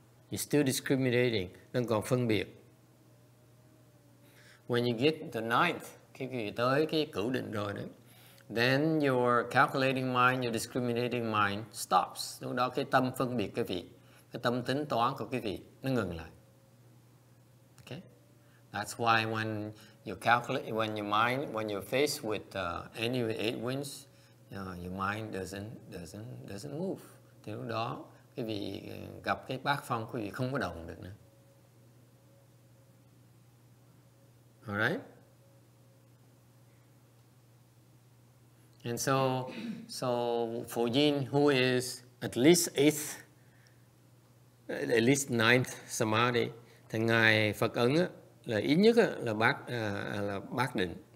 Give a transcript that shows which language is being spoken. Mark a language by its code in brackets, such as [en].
[en] You're still discriminating. [vi] Đang còn phân biệt. [en] When you get the ninth, [vi] khi quý vị tới cái cửu định rồi đấy, [en] then your calculating mind, your discriminating mind stops. [vi] Lúc đó cái tâm phân biệt quý vị, cái tâm tính toán của quý vị nó ngừng lại. [en] Okay? That's why when you calculate, when your mind, when you're faced with any of the eight winds, your mind doesn't move. [vi] Thì lúc đó quý vị gặp cái bát phong, quý vị không có động được nữa. [en] Alright? And so for Jin, who is at least eighth, at least ninth samadhi, [vi] thì ngài Phật Ấn á, là ít nhất là bát định.